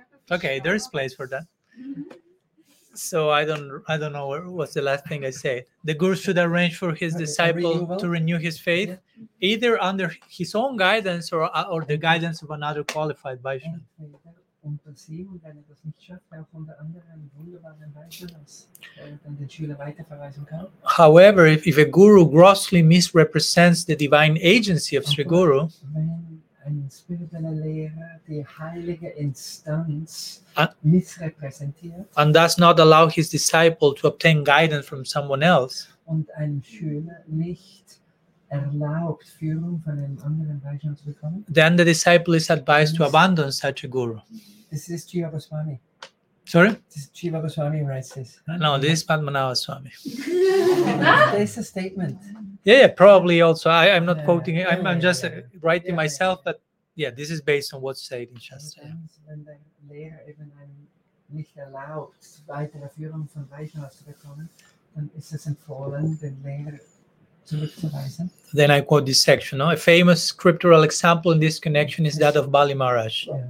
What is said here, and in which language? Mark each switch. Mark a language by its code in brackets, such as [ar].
[en] Okay, there is place for that. So I don't know what was the last thing I said. The guru should arrange for his disciple to renew his faith, either under his own guidance or the guidance of another qualified Vaishnava. [de] sehen, wenn er das nicht schafft, er von der anderen wunderbaren Weise, dass er dann den Schüler weiterverweisen kann. [en] However, if a guru grossly misrepresents the divine agency of Sri Guru, [de] wenn ein spiritueller Lehrer die heilige Instanz missrepräsentiert, [en] and does not allow his disciple to obtain guidance from someone else, [de] und einem Schüler nicht erlaubt, Führung von einem anderen Vaishnava zu bekommen, [en] then the disciple is advised to abandon such a guru. This is Jiva Goswami. Sorry? This is Jiva Goswami who writes this. No, this is Padmanabha Swami. There's a statement. Yeah, probably also. I'm not quoting it. I'm just writing myself. But yeah, this is based on what's said in Shastra. [de] Wenn der Lehrer eben nicht erlaubt, weitere Führung von Vaishnava zu bekommen, dann ist es empfohlen, den Lehrer. [en] Then I quote this section. No? A famous scriptural example in this connection is that of Bali Maharaj.